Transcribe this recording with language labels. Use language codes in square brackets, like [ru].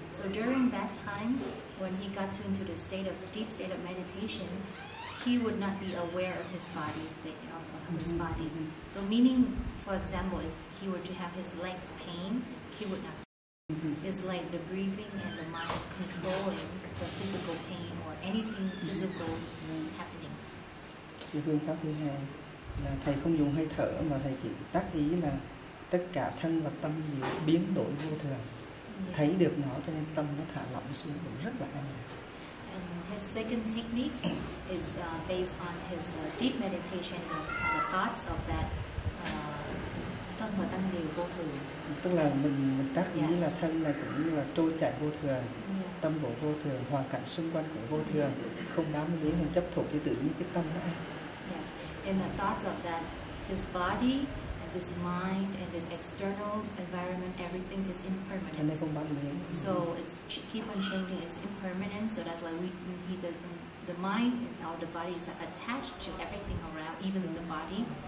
[en] So during that time, when he got to into the state of deep state of meditation, he would not be aware of his body state of his body. Mm-hmm. So meaning, for example, if he were to have his legs pain, he would not. It's like the breathing and the mind is controlling the physical pain or anything physical happenings. [vi] Cái phương pháp thứ hai là thầy không dùng hơi thở mà thầy chỉ tác ý là tất cả thân và tâm đều biến đổi vô thường. Yeah. Thấy được nó cho nên tâm nó thả lỏng xuống cũng rất là an lạc. [en] His second technique is based on his deep meditation and the thoughts of that [vi] thân và tâm đều vô thường. Tức là mình tác ý là thân này cũng như là trôi chảy vô thường, tâm bộ vô thường, hoàn cảnh xung quanh cũng vô thường, không đáng lý mình chấp thuộc thì tự nhiên cái tâm nó. [en] Yes, in the thoughts of that, this body and this mind and this external environment, everything is impermanent. [vi] Không bám lý. [en] So it's keep on changing, it's impermanent, so that's why the mind is all the body is attached to everything around, even the body.